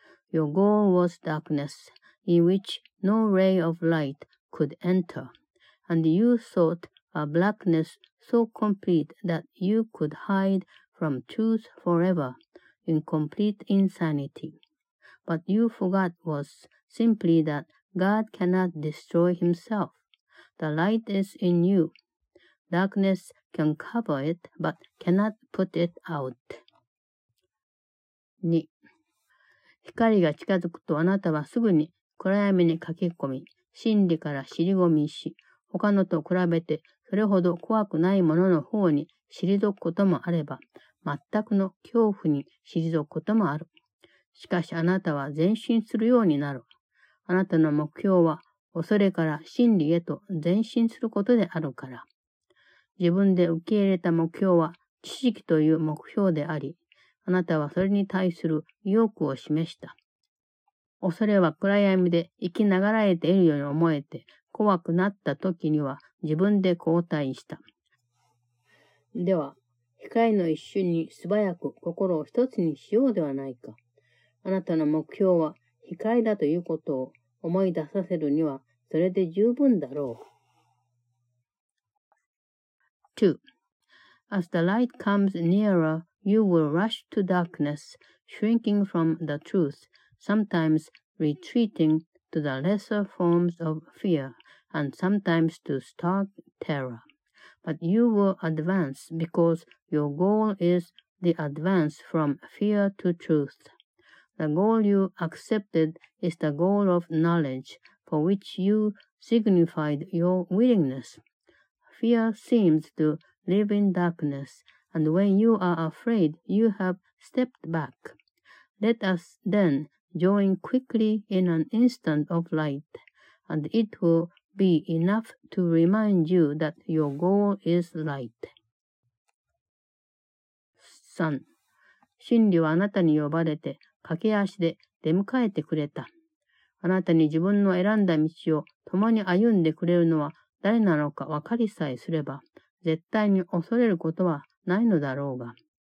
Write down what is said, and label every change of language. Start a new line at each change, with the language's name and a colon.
English: Your goal was darkness, in which no ray of light could enter, and you sought a blackness so complete that you could hide from truth forever, in complete insanity. What you forgot was simply that God cannot destroy himself. The light is in you. Darkness can cover it, but cannot put it out. 2.
Japanese: 光が近づくとあなたはすぐに暗闇に駆け込み、真理から尻込みし、他のと比べてそれほど怖くないものの方に退くこともあれば、全くの恐怖に退くこともある。しかしあなたは前進するようになる。あなたの目標は恐れから真理へと前進することであるから。自分で受け入れた目標は知識という目標であり、あなたはそれに対する意欲を示した。恐れは暗闇で生きながらえているように思えて、怖くなった時には自分で後退した。では、光の一瞬に素早く心を一つにしようではないか。あなたの目標は光だということを思い出させるにはそれで十分だろう。 2.
English: As the light comes nearer, you will rush to darkness, shrinking from the truth, sometimes retreating to the lesser forms of fear, and sometimes to stark terror. But you will advance because your goal is the advance from fear to truth. The goal you accepted is the goal of knowledge, for which you signified your willingness. Fear seems to live in darkness, and when you are afraid, you have stepped back. Let us then join quickly in an instant of light, and it will be enough to remind you that your goal is light. 3.
Japanese: 真理はあなたに呼ばれて、駆け足で出迎えてくれた。あなたに自分の選んだ道を共に歩んでくれるのは誰なのか分かりさえすれば、絶対に恐れることはないのだろうが。